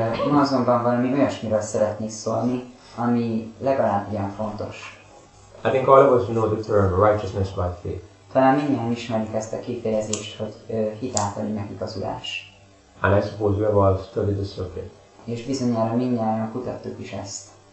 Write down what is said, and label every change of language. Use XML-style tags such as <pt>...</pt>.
<hu>Ma azonban valami olyasmiről szeretnék szólni, ami legalább ilyen fontos.</hu> <en>I think all of us know the term righteousness by faith.</en> <hu>Talán mindjárt ismerik ezt a kifejezést, hogy hitáltali megigazulás.</hu> <en>And I suppose we have all studied the subject.</en> <hu>És bizonyára mindjárt kutattuk is ezt.</hu>